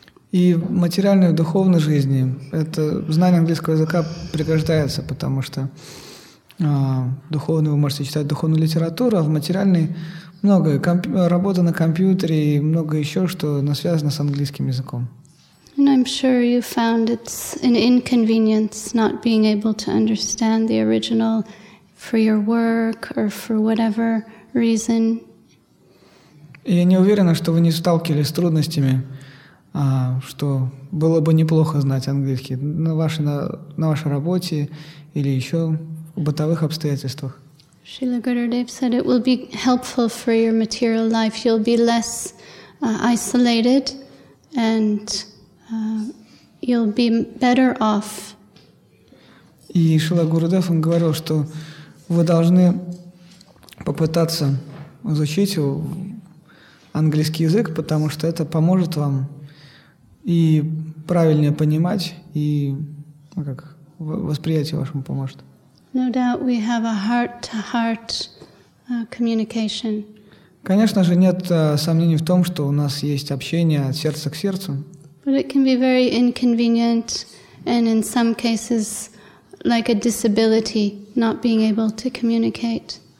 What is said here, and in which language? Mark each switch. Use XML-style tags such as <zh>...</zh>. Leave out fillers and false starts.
<ru>И в материальной, в духовной жизни это знание английского языка пригождается, потому что духовную вы можете читать духовную литературу, а в материальной много работы на компьютере и много еще, что связано с английским языком.</ru> <en>And I'm sure you found it's an inconvenience not being able to understand the original for your work or for whatever reason.</en> <ru>И я не уверена, что вы не сталкивались с трудностями, что было бы неплохо знать английский на вашей работе или еще в бытовых обстоятельствах.</ru> <en>Srila Gurudev said it will be helpful for your material life. You'll be less isolated and you'll be better off.</en> <ru>И Шрила Гурудев, он говорил, что вы должны попытаться изучить английский язык, потому что это поможет вам и правильнее понимать, и восприятие вашему поможет.</ru> <en>No doubt we have a heart-to-heart communication.</en> <ru>Конечно же, нет сомнений в том, что у нас есть общение от сердца к сердцу.</ru> <en>But it can be very inconvenient and in some cases like a disability, not being able to communicate.</en>